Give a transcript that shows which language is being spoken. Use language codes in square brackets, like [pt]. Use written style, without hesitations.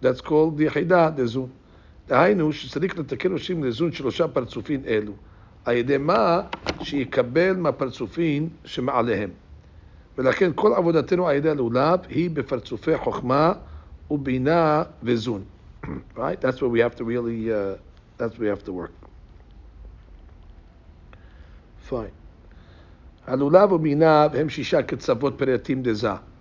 [en] That's called [he] יחידה דזון. דהיינו שצריך לתקן ראשים לזון שלושה פרצופים אלו, על ידי מה שיקבל מהפרצופים שמעליהם. ולכן כל עבודתנו על ידי הלולב היא בפרצופי חוכמה ובינה וזון. [en] Right? That's what we have to really, that's what we have to work. Fine. [he] הלולב ובינה הם שישה קצוות פרטים דזה.